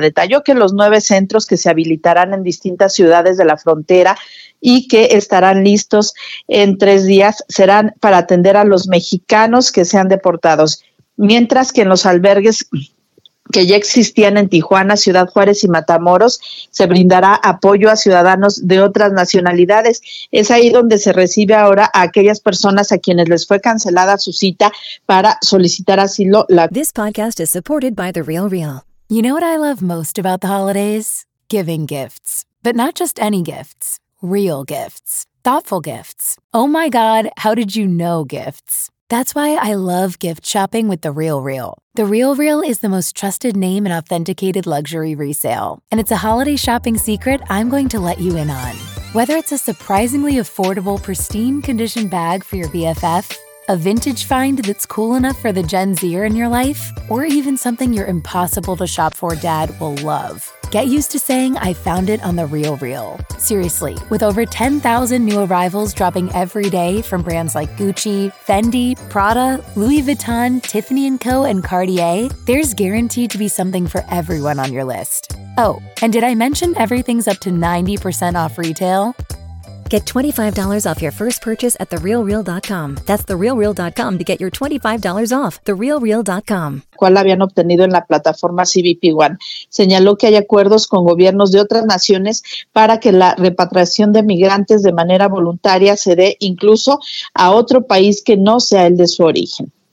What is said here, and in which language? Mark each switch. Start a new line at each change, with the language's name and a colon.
Spanish: Detalló que los 9 centros que se habilitarán en distintas ciudades de la frontera y que estarán listos en 3 días serán para atender a los mexicanos que sean deportados, mientras que en los albergues que ya existían en Tijuana, Ciudad Juárez y Matamoros, se brindará apoyo a ciudadanos de otras nacionalidades. Es ahí donde se recibe ahora a aquellas personas a quienes les fue cancelada su cita para solicitar asilo.
English: This podcast is supported by The Real Real. You know what I love most about the holidays? Giving gifts. But not just any gifts. Real gifts. Thoughtful gifts. Oh my God, how did you know gifts? That's why I love gift shopping with The Real Real. The Real Real is the most trusted name in authenticated luxury resale. And it's a holiday shopping secret I'm going to let you in on. Whether it's a surprisingly affordable, pristine condition bag for your BFF, a vintage find that's cool enough for the Gen Zer in your life, or even something your impossible to shop for dad will love. Get used to saying, I found it on The Real Real. Seriously, with over 10,000 new arrivals dropping every day from brands like Gucci, Fendi, Prada, Louis Vuitton, Tiffany & Co., and Cartier, there's guaranteed to be something for everyone on your list. Oh, and did I mention everything's up to 90% off retail? Get $25 off your first purchase at TheRealReal.com. That's TheRealReal.com to get your $25 off. TheRealReal.com.
Spanish: ¿Cuál habían obtenido en la plataforma CBP One? Señaló que hay acuerdos con gobiernos de otras naciones para que la repatriación de migrantes de manera voluntaria se dé incluso a otro país que no sea el de su origen.